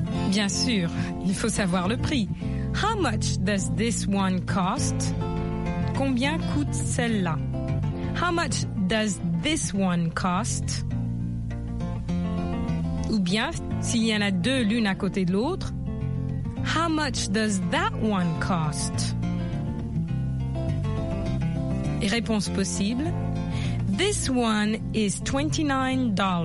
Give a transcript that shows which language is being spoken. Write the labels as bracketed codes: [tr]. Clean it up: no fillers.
[fr] Bien sûr, il faut savoir le prix. [en] How much does this one cost? [fr] Combien coûte celle-là? [en] How much does this one cost? [fr] Ou bien, s'il y en a deux l'une à côté de l'autre, [en] how much does that one cost? [fr] Et réponse possible, [en] this one is $29.